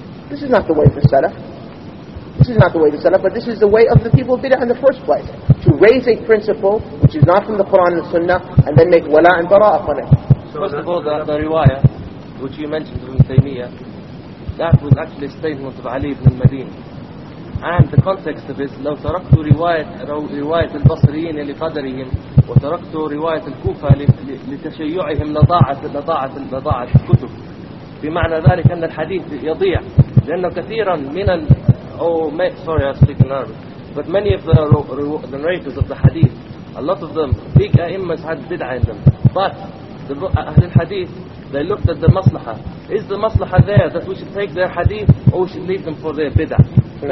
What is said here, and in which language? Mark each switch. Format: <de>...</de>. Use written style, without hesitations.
<en>This is not the way of the Salaf. This is not the way of the Salaf, but this is the way of the people of bid'ah in the first place. To raise a principle which is not from the Quran and the Sunnah, and then make wala' and bara' upon it. So first of all, the riwayah, which you mentioned from Taymiyyah, that was actually a statement of Ali ibn al-Madin.</en> <ar>And the context of it, لو تركت رواية البصريين لقدرهم وتركت رواية الكوفة لتشيعهم لضاعت الكتب. بمعنى ذلك أن الحديث يضيع.</ar> <en>لأنه كثيرا من ال... sorry, I speak in Arabic. But many of the narrators of the hadith, a lot of them, big a'immas had bid'ah in them. But أهل الحديث, they looked at the maslaha. Is the maslaha there that we should take their hadith or we should leave them for their bid'ah? Mm-hmm.</en>